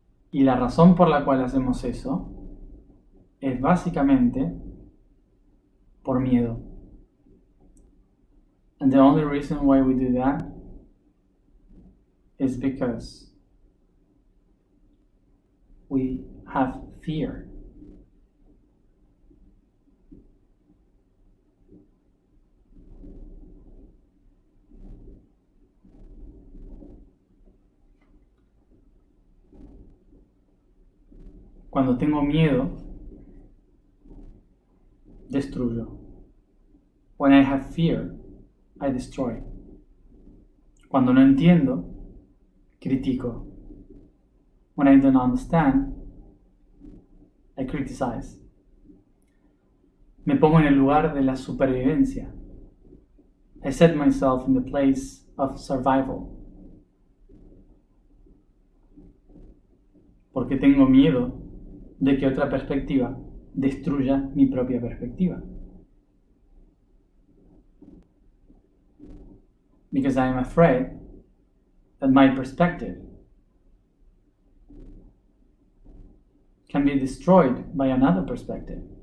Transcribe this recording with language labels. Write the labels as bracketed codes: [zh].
[es] Y la razón por la cual hacemos eso es básicamente por miedo. [en] And the only reason why we do that is because we have fear. [es] Cuando tengo miedo, destruyo. [en] When I have fear, I destroy. [es] Cuando no entiendo, critico. [en] When I don't understand, I criticize. [es] Me pongo en el lugar de la supervivencia. [en] I set myself in the place of survival. [es] Porque tengo miedo de que otra perspectiva destruya mi propia perspectiva. [en] Because I am afraid that my perspective can be destroyed by another perspective.